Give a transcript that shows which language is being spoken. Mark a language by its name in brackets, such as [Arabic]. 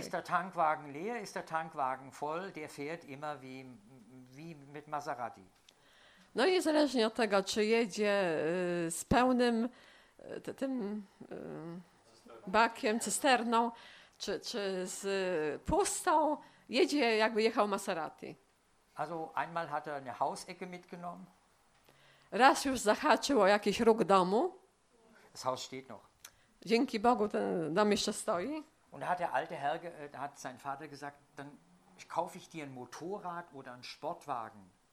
[German] Ist der Tankwagen leer, ist der Tankwagen voll, der fährt immer wie mit Maserati. [Polish] No i niezależnie od tego, czy jedzie z pełnym tym bakiem, cysterną, czy z pustą, jedzie jakby jechał Maserati. [German] Also einmal hat er eine Hausecke mitgenommen. [Polish] Raz już zahaczył o jakiś róg domu. [German] Das Haus steht noch. [Polish] Dzięki Bogu ten dom jeszcze stoi. [German] Und hat der alte Herr, hat sein Vater gesagt, dann kaufe ich dir ein Motorrad oder einen Sportwagen.